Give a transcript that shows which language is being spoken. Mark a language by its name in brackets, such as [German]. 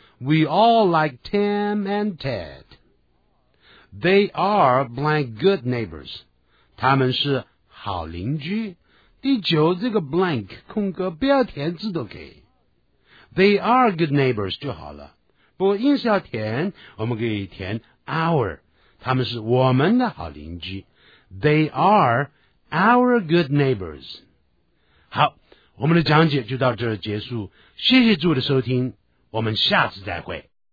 [English] We all like Tim and Ted. They are blank good neighbors. [Chinese] 他们是好邻居。第九这个 blank 空格不要填字都可以。 [English] They are good neighbors [Chinese] 就好了。不过硬是要填，我们可以填 our。他们是我们的好邻居。 [English] They are our good neighbors. [Chinese] 好，我们的讲解就到这儿结束。谢谢诸位的收听。我们下次再会。